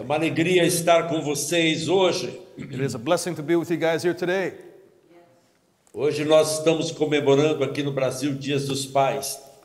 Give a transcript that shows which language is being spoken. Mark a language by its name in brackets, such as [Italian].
[Portuguese] É uma alegria estar com vocês hoje. [English] It is a blessing to be with you guys here today. [Portuguese] Hoje nós estamos comemorando aqui no Brasil Dias dos Pais.